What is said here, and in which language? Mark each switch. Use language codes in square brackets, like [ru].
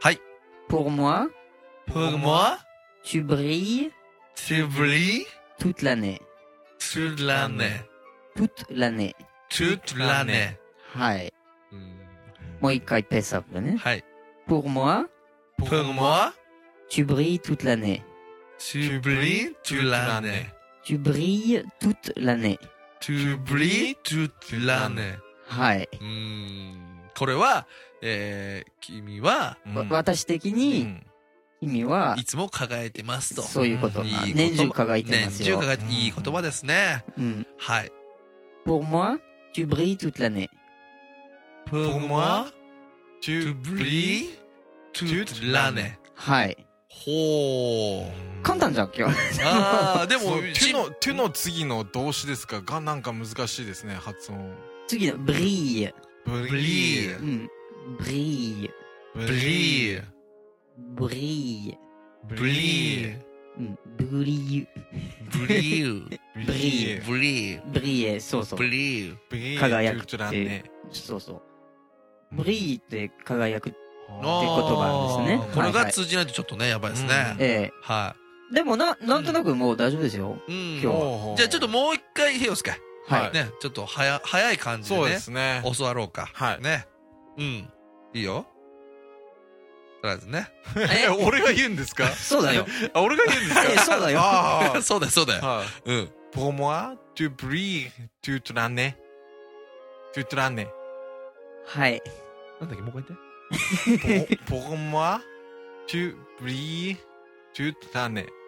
[ja] はい。 [fr] Pour moi, tu brilles. Tu brilles toute l'année. Toute l'année. Toute l'année. Toute l'année. [ja] はい。もう一回ペースアップね。はい。 [fr] Pour moi. Pour moi. Tu brilles toute l'année. Tu brilles toute l'année. Tu brilles toute l'année. Tu brilles toute l'année. [ja] はい。これは、君は、私的に、意味はいつも輝いてますと、そういうこと、いい年中輝いてますよ、年中輝いて、いい言葉ですね、はい。 [fr] Pour moi tu brilles toute l'année. Pour moi tu brilles toute l'année. [ja] はい、ほー、簡単じゃん今日。あ、でも tu の次の動詞ですかがなんか難しいですね、発音。次の brille [fr] brille brille brille ブリー。ブリー。ブリー。ブリー。ブリー。ブリー。 [ja] ブリー。そうそう。 [fr] ブリー。 [ja] ブリー。輝くって。そうそう。ブリーって輝くって言葉なんですね。これが通じないとちょっとね、やばいですね。ええ。はい。でもなんとなくもう大丈夫ですよ。今日は。じゃあちょっともう一回、ヒヨスケ。はい。ね、ちょっと早い感じでね。そうですね。教わろうか。はい。ね。いいよ。とりあえずね。俺が言うんですか。そうだよ。あ、俺が言うんですか。そうだよ。あ、そうだよ、そうだよ。 [fr] はい、Pour moi, tu brilles toute l'année. Toute l'année. [ja] はい。なんだっけ、もう一回言って。 [fr] Pour moi, tu brilles toute l'année.